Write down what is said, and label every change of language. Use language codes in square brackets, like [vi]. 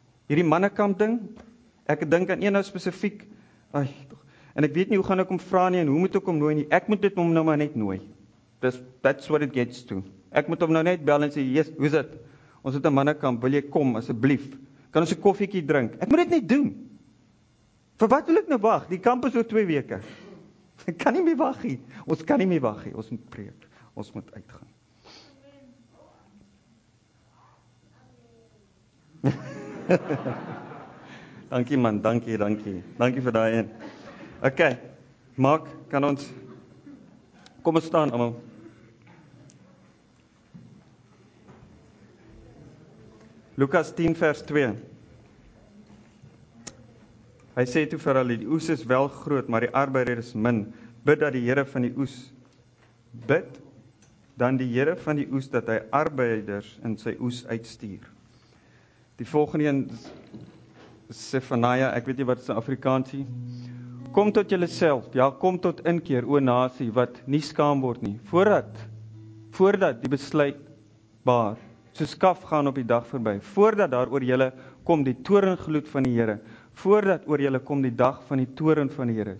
[af] Hierdie mannekamp ding, ek dink aan een nou spesifiek, en ek weet nie hoe gaan ek hom vra nie, en hoe moet ek hom nooi nie, ek moet dit hom nou maar net nooi. [en] That's what it gets to. [af] Ek moet hom nou net bel en sê, yes, hoe is dit? Ons het 'n mannekamp, wil jy kom, asseblief? Kan ons 'n koffiekie drink? Ek moet dit net doen. Vir wat wil ek nou wag? Die kamp is oor 2 weke. Ek kan nie meer wag nie. Ons kan nie meer wag nie. Ons moet preek. Ons moet uitgaan. Amen. Dankie man, dankie, dankie. Dankie vir daai een. OK. Mark, kan ons kom ons staan almal. Lukas 10 vers 2. Hy sê toe vir hulle die oes is wel groot, maar die arbeiders is min. Bid dat die Here van die oes bid dan die Here van die oes dat hy arbeiders in sy oes uitstuur. Die volgende een Sefanaia, ek weet nie wat is in Afrikaans nie. Kom tot jouself, ja, kom tot inkeer o nasie wat nie skaam word nie, voordat die besluit baar soos kaf gaan op die dag verby, voordat daar oor julle kom die toorngloed van die Here, voordat oor julle kom die dag van die toorn van die Here.